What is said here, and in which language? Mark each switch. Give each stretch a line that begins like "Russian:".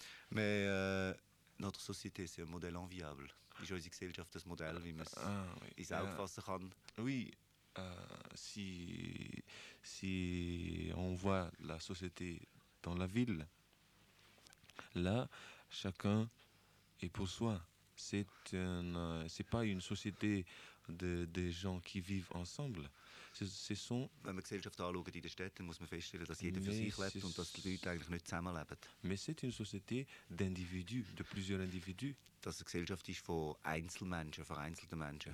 French: Mais, notre société, c'est un modèle enviable.
German: Ist unsere Gesellschaft das Modell, wie man es ins Auge fassen kann?
French: Oui, si on voit la société dans la ville, là, chacun est pour soi. C'est pas une société des gens qui vivent ensemble.
German: Wenn man Gesellschaft anschaut in den Städten, muss man feststellen, dass jeder für sich lebt und dass die Leute eigentlich nicht zusammenleben.
French: Mais c'est une société d'individus, de plusieurs individus.
German: Dass eine Gesellschaft ist von Einzelmenschen, vereinzelten Menschen.